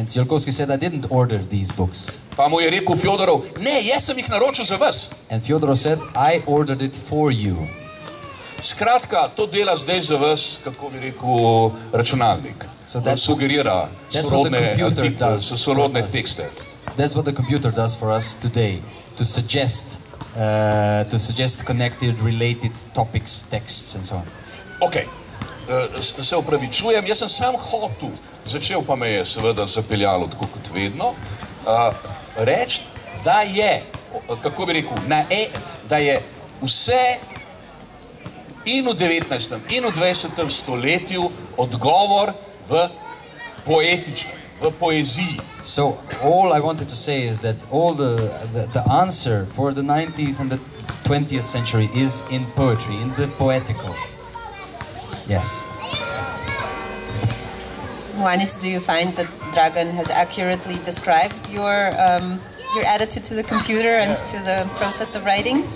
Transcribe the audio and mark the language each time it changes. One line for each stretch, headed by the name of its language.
English: And Ciolkovski said, I didn't order these books.
Slovenian: Pa mu je rekel Fjodorov, ne, jaz sem jih naročil za vas.
English: And Fjodorov said, I ordered it for you.
Slovenian: Skratka, to dela zdaj za vas, kako bi rekel, računalnik.
English: So that
Slovenian: sugerira sorodne tekste.
English: That's what the computer does for us today, to suggest connected, related topics, texts and so on. Okay.
Slovenian: Se opravičujem, jaz sem sam hotel, začel pa me je seveda zapeljalo tako kot vedno, reči, da je, kako bi rekel, da je vse in v 19. in v 20. stoletju odgovor v poetičnem, v poeziji.
English: So all I wanted to say is that all the answer for the 19th and the 20th century is in poetry, in the poetical. Yes. Juanis, do you find that Dragan has accurately described your attitude to the computer and to the process of writing?